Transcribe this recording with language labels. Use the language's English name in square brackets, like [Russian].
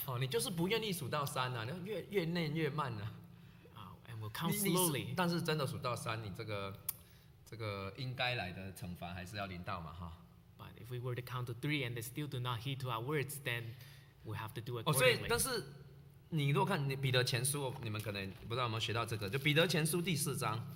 [Chinese] 哦,你就是不愿意数到三啊, 越念越慢啊。 [English] And we'll count slowly. [Chinese] 但是真的数到三, 你这个, 这个应该来的惩罚还是要临到嘛, [English] But if we were to count to 3 and they still do not heed to our words, then we'll have to do accordingly. [Chinese] 哦,所以,但是,你如果看彼得前书, 你们可能不知道有没有学到这个, 就彼得前书第四章,